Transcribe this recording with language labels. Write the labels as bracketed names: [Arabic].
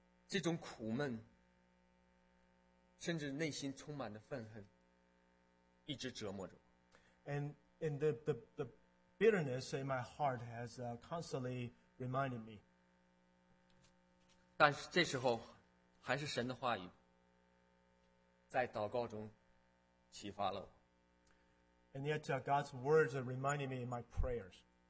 [Chinese] 这种苦闷, 甚至内心充满的愤恨, 一直折磨着我。 [English] And the bitterness in my heart has constantly reminded me. [Chinese] 但是这时候, 还是神的话语, 在祷告中启发了我。 [English] And yet God's words are reminding me in my prayers.